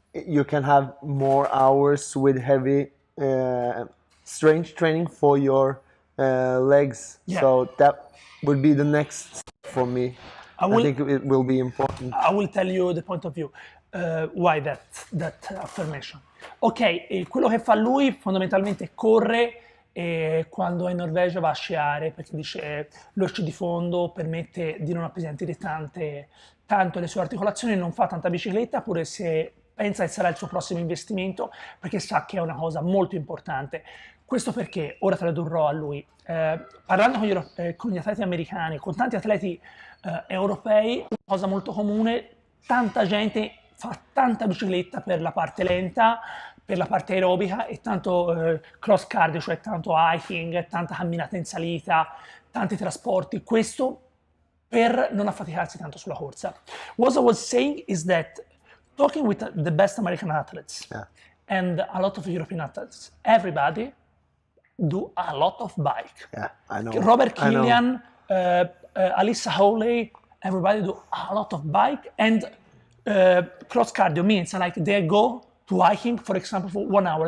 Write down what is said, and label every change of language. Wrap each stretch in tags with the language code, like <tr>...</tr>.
<en>You can have more hours with heavy strength training for your legs. Yeah. So that would be the next step for me. I think it will be important. I will tell you the point of view. Why that affirmation?</en> <it>Ok, quello che fa lui fondamentalmente corre e quando è in Norvegia va a sciare, perché dice lo sci di fondo permette di non appesantire tanto le sue articolazioni, non fa tanta bicicletta, pure se pensa che sarà il suo prossimo investimento, perché sa che è una cosa molto importante. Questo perché, ora tradurrò a lui, parlando con gli atleti americani, con tanti atleti europei, una cosa molto comune, tanta gente fa tanta bicicletta per la parte lenta, per la parte aerobica e tanto cross cardio, cioè tanto hiking, tanta camminata in salita, tanti trasporti, questo per non affaticarsi tanto sulla corsa.</it> <en>What I was saying is that talking with the best American athletes, yeah, and a lot of European athletes, everybody do a lot of bike. Yeah, I know. Robert Killian, Alyssa Hawley, everybody do a lot of bike and cross cardio means like they go to hiking, for example, for 1 hour.</en>